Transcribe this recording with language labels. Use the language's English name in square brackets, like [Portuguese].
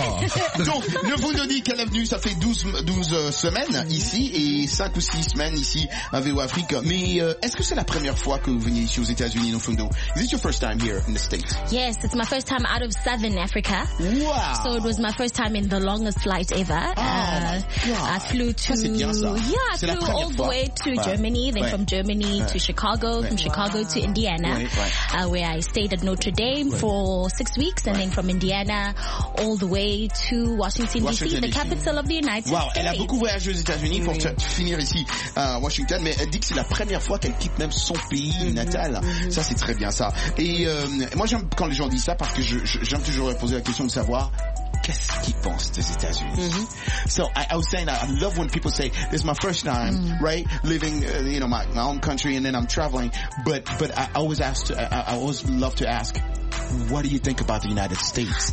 [French] donc, le Fundo dit qu'elle est venue, ça fait 12 semaines ici et 5 ou 6 semaines ici à VO Afrique. Mais est-ce que c'est la première fois que vous venez ici aux États-Unis, le Fundo? [English] Is this your first time here in the States? Yes, it's my first time out of Southern Africa. Wow. So it was my first time in the longest flight ever. Oh, I flew to... [French] Ça, c'est bien ça. [English] Yeah, [French] c'est [English] I flew all the way to Germany, then from Germany to Chicago, from Chicago to Indiana, where I stayed at Notre Dame for 6 weeks, and then from Indiana all the way to Washington D.C., the capital of the United States. [French] Wow, elle a beaucoup voyagé aux États-Unis pour finir ici à Washington, mais elle dit que c'est la première fois qu'elle quitte même son pays natal. Ça, c'est très bien ça. Et moi, j'aime quand les gens disent ça parce que j'aime toujours poser la question de savoir qu'est-ce qu'ils pensent des États-Unis. [English] So, I was saying that I love when people say, this is my first time, right, living, you know, my own country, and then I'm traveling. But I always ask, I always love to ask, what do you think about the United States?